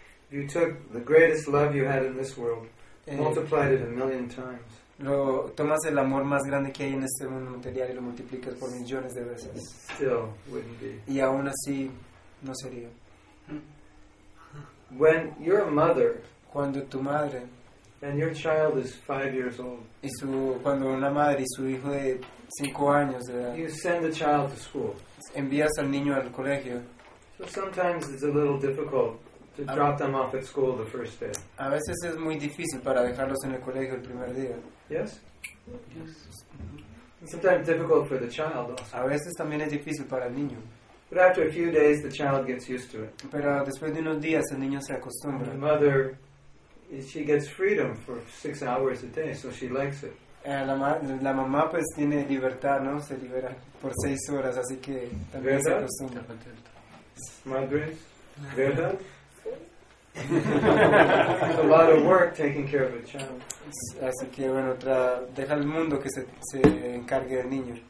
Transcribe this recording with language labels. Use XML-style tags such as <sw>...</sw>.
<en>You took the greatest love you had in this world, multiplied it a million times.</en> <es>Lo tomas el amor más grande que hay en este mundo material y lo multiplicas por millones de veces.</es> <en>Still wouldn't be.</en> <es>Y aún así no sería.</es> <en>When you're a mother,</en> <es>cuando tu madre,</es> <en>and your child is 5 years old,</en> <es>y su cuando una madre y su hijo de 5 años de edad,</es> <en>you send the child to school.</en> <es>Envías al niño al colegio.</es> <en>So sometimes it's a little difficult to drop them off at school the first day.</en> <es>A veces es muy difícil para dejarlos en el colegio el primer día.</es> <en>Yes. Yes. Sometimes difficult for the child also.</en> <es>A veces también es difícil para el niño.</es> <en>But after a few days, the child gets used to it.</en> <es>Pero después de unos días el niño se acostumbra.</es> <en>The mother, she gets freedom for 6 hours a day, so she likes it.</en> <es>La mamá pues tiene libertad, ¿no? Se libera por 6 horas, así que también se acostumbra. Madres, ¿verdad?</es> <en>It's a lot of work taking care of a child.</en> <es>Así que bueno, deja el mundo que se encargue del niño.</es>